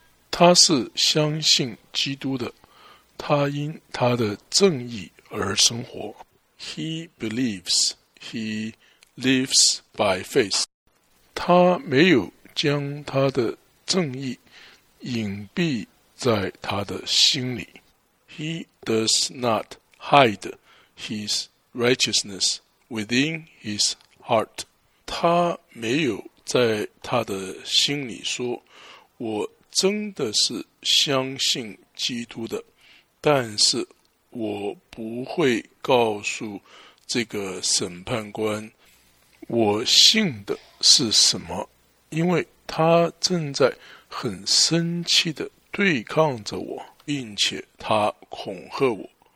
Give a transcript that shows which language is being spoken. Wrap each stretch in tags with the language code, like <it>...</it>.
<zh>他是相信基督的，他因他的正义而生活。</zh> <en>He believes, he lives by faith.</en> <zh>他没有将他的正义隐蔽在他的心里。</zh> <en>He does not hide his righteousness within his heart.</en> <zh>他没有在他的心里说，我真的是相信基督的，但是我不会告诉这个审判官我信的是什么，因为他正在很生气地对抗着我，并且他恐吓我。</zh>